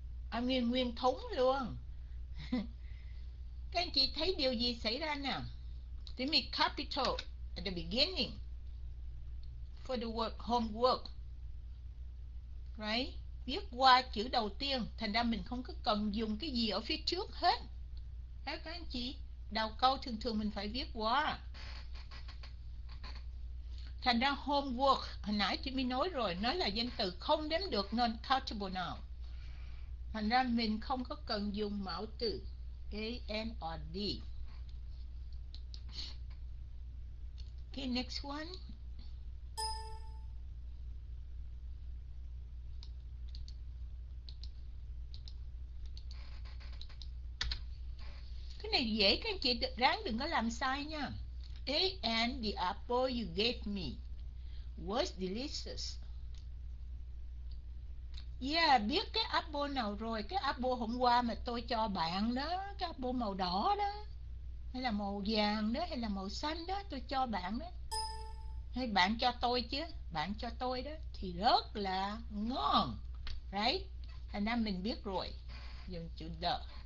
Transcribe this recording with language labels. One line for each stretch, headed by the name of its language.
Vietnamese: À, nguyên nguyên thúng luôn. Các anh chị thấy điều gì xảy ra nào? Tìm mình
English: capital at the beginning for the work, homework. Right?
Vietnamese: Viết qua chữ đầu tiên. Thành ra mình không có cần dùng cái gì ở phía trước hết. Các anh chị, đầu câu thường thường mình phải viết qua. Thành ra homework, hồi nãy chị mới nói rồi, nó là danh từ không đếm được,
English: non-countable noun.
Vietnamese: Thành ra mình không có cần dùng mẫu từ A, N, or D.
English: Ok, next one.
Vietnamese: Cái này dễ, các anh chị ráng đừng có làm sai nha.
English: A and the apple you gave me was delicious.
Vietnamese: Yeah, biết cái apple nào rồi. Cái apple hôm qua mà tôi cho bạn đó, cái apple màu đỏ đó, hay là màu vàng đó, hay là màu xanh đó, tôi cho bạn đó, hay bạn cho tôi chứ, bạn cho tôi đó, thì rất là ngon.
English: Right?
Vietnamese: Thành ra mình biết rồi. Dùng chữ the.